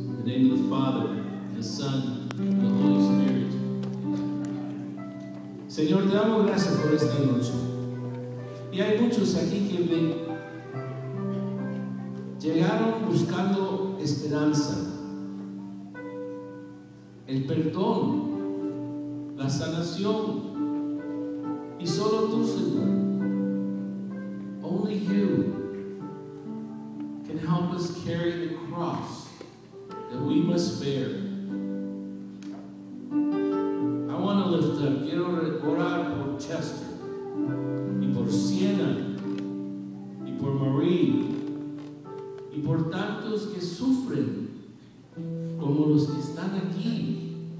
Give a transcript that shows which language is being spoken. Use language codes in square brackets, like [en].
[en] In the name of the Father, the Son, and the Holy Spirit. [es] Señor, te damos gracias por esta noche. Y hay muchos aquí que me llegaron buscando esperanza, el perdón, la sanación. Y solo tú, [en] Señor, only you can help us carry the cross that we must bear. I want to lift up, [es] quiero orar por Chester, y por Siena, y por Marie, y por tantos que sufren, como los que están aquí.